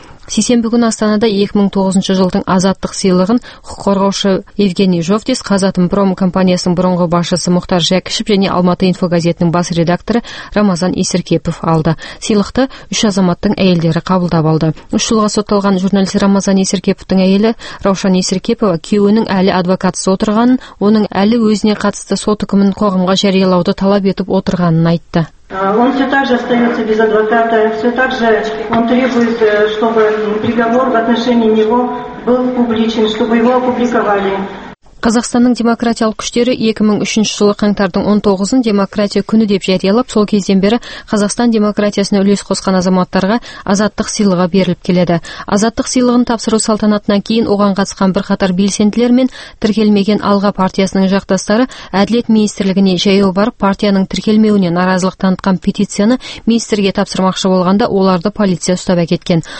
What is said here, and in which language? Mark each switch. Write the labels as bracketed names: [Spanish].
[Kazakh] Сейсенбі күні Астанада 2009 жылдың азаттық сыйлығын құқық қорғаушы Евгений Жовтис, Қазатомпром компаниясының бұрынғы басшысы Мұхтар Жәкішев және Алматы инфогазетінің бас редакторы Рамазан Есіркепов алды. Сыйлықты үш азаматтың әйелдері қабылдап алды. Үш жылға сотталған журналист Рамазан Есіркеповтың әйелі Раушан Есіркепова күйеуінің әлі адвокатсыз отырғанын, оның әлі өзіне қатысты сот үкімін қоғамға жариялауды талап етіп отырғанын айтты. [Russian] Он все так же остается без адвоката, все так же он требует, чтобы приговор в отношении него был публичен, чтобы его опубликовали. [Kazakh] Қазақстанның демократиялық күштері 2003 жылы қаңтардың 19-ын демократия күні деп жариялап, сол кезден бері Қазақстан демократиясына үлес қосқан азаматтарға азаттық сыйлығы беріліп келеді. Азаттық сыйлығын тапсыру салтанатынан кейін оған қатысқан бірқатар белсенділер мен тіркелмеген Алға партиясының жақтастары әділет министрлігіне жаяу барып, партияның тіркелмеуіне наразылық танытқан петицияны министрге тапсырмақшы болғанда оларды полиция ұстап әкеткен.